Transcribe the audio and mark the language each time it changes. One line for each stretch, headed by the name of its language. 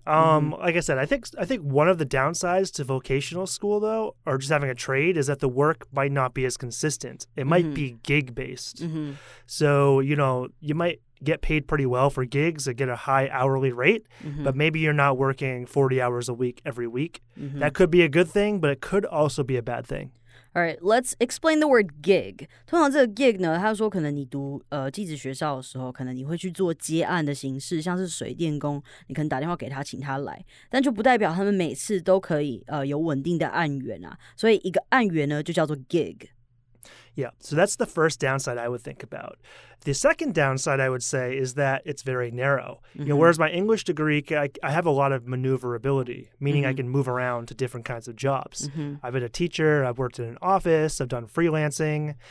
English: Like I said, I think one of the downsides to vocational school, though, or just having a trade, is that the work might not be as consistent. It might be gig-based. So, you know, you might get paid pretty well for gigs and get a high hourly rate, but maybe you're not working 40 hours a week every week. That could be a good thing, but it could also be a bad thing. All right, let's explain the word gig.
Chinese: 通常这个 gig 呢，他说可能你读技职学校的时候，可能你会去做接案的形式，像是水电工，你可能打电话给他，请他来，但就不代表他们每次都可以有稳定的案源啊。所以一个案源呢，就叫做 gig。
English: Yeah, so that's the first downside I would think about. The second downside I would say is that it's very narrow. You know, whereas my English degree, I have a lot of maneuverability, meaning I can move around to different kinds of jobs. I've been a teacher, I've worked in an office, I've done freelancing.